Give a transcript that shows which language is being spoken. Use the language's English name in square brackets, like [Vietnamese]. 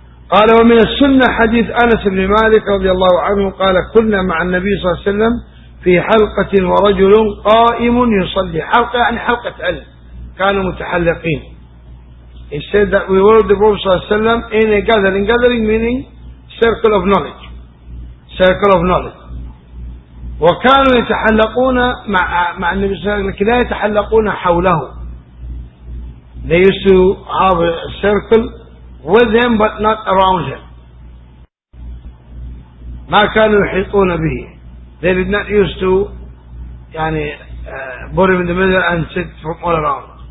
[Arabic] قال ومن السنة حديث أنس بن مالك رضي الله عنه قال كنا مع النبي صلى الله عليه وسلم في حلقة ورجل قائم يصلي. حلقة حلقة علم كانوا متحلقين. [English] He said that we were the Prophet صلى الله عليه وسلم in a gathering. Gathering meaning circle of knowledge. Circle of knowledge. [Arabic] وكانوا يتحلقون مع النبي صلى الله عليه وسلم لكن لا يتحلقون حوله. [English] They used to have a circle with him but not around him. [Arabic] ما كانوا يحيطون به. [English] They did not used to يعني put him in the middle and sit from all around.